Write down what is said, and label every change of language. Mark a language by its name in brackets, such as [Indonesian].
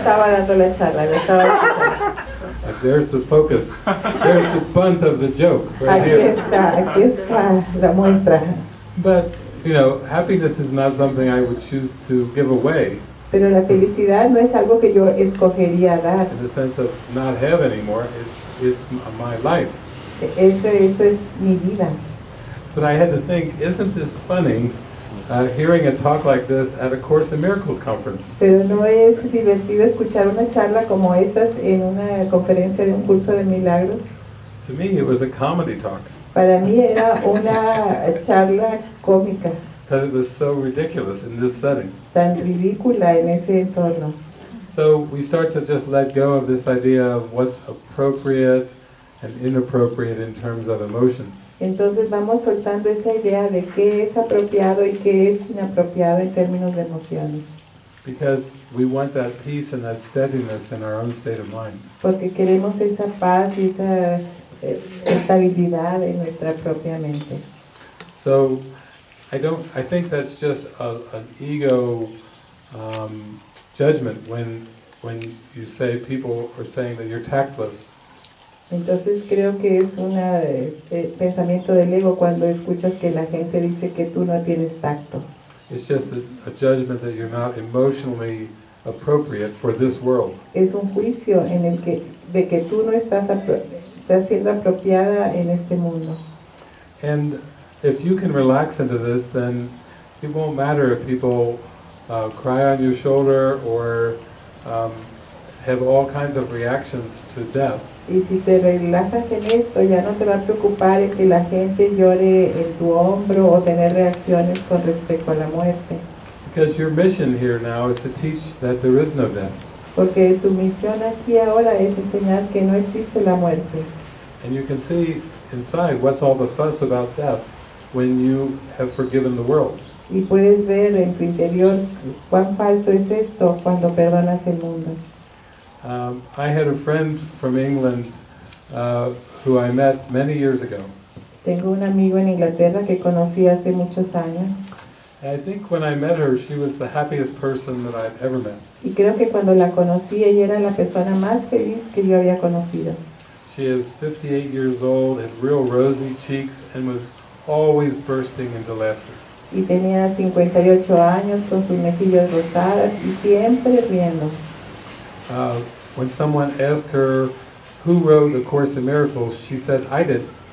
[English] Like, there's the focus. There's the bunt of the joke right here. But, you know, happiness is not something I would choose to give away. [Spanish] Pero la felicidad no es algo que yo escogería dar. [English] In the sense of not have anymore, it's my life. [Spanish] Eso es mi vida. [English] But I had to think, isn't this funny, hearing a talk like this at a Course in Miracles conference? [Spanish] Pero no es divertido escuchar una charla como estas en una conferencia de un curso de milagros. [English] To me, it was a comedy talk. [Spanish] Para mí era una charla cómica. [English] Because it was so ridiculous in this setting. [Spanish] Tan ridícula en ese entorno. [English] So we start to just let go of this idea of what's appropriate and inappropriate in terms of emotions. [Spanish] Entonces vamos soltando esa idea de qué es apropiado y qué es inapropiado en términos de emociones. [English] Because we want that peace and that steadiness in our own state of mind. [Spanish] Porque queremos esa paz y esa estabilidad en nuestra propia mente. [English] So I think that's just an ego judgment when you say people are saying that you're tactless. [Spanish] Entonces creo que es un pensamiento del ego cuando escuchas que la gente dice que tú no tienes tacto. [English] It's just a judgment that you're not emotionally appropriate for this world. [Spanish] Es un juicio en el que de que tú no estás siendo apropiada en este mundo. [English] And if you can relax into this, then it won't matter if people cry on your shoulder or have all kinds of reactions to death. [Spanish] Y si te relajas en esto, ya no te va a preocupar que la gente llore en tu hombro o tener reacciones con respecto a la muerte. [English] Because your mission here now is to teach that there is no death. [Spanish] Porque tu misión aquí ahora es enseñar que no existe la muerte. [English] And you can see inside what's all the fuss about death when you have forgiven the world. [Spanish] Y puedes ver en tu interior cuán falso es esto cuando perdonas el mundo. [English] I had a friend from England who I met many years ago. [Spanish] Tengo un amigo en Inglaterra que conocí hace muchos años. [English] I think when I met her, she was the happiest person that I've ever met. [Spanish] Y creo que cuando la conocí, ella era la persona más feliz que yo había conocido. [English] She is 58 years old, had real rosy cheeks, and was always bursting into laughter. [Spanish] Y tenía 58 años con sus mejillas rosadas y siempre riendo. [English] When someone asked her who wrote A Course in Miracles, she said, "I did."